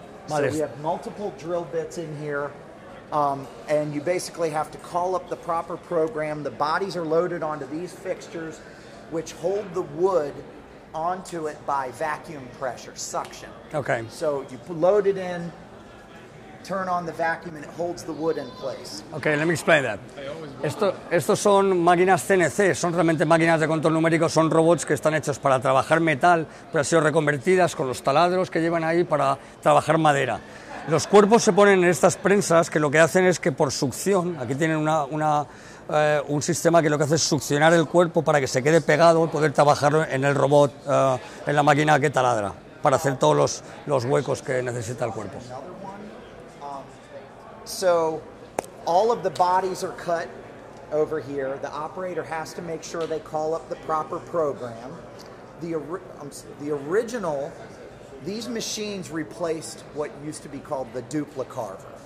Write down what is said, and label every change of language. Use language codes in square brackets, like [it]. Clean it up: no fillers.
[en] We have multiple drill bits in here. And you basically have to call up the proper program. The bodies are loaded onto these fixtures, which hold the wood onto it by vacuum pressure, suction. Okay. So you load it in, turn on the vacuum, and it holds the wood in place. Okay, let me explain that. [es] Estos son máquinas CNC, son realmente máquinas de control numérico, son robots que están hechos para trabajar metal, pero han sido reconvertidas con los taladros que llevan ahí para trabajar madera. Los cuerpos se ponen en estas prensas que lo que hacen es que por succión, aquí tienen un sistema que lo que hace es succionar el cuerpo para que se quede pegado y poder trabajar en el robot, en la máquina que taladra, para hacer todos los huecos que necesita el cuerpo. [en] So, all of the bodies are cut over here. The operator has to make sure they call up the proper program. These machines replaced what used to be called the duplicarver.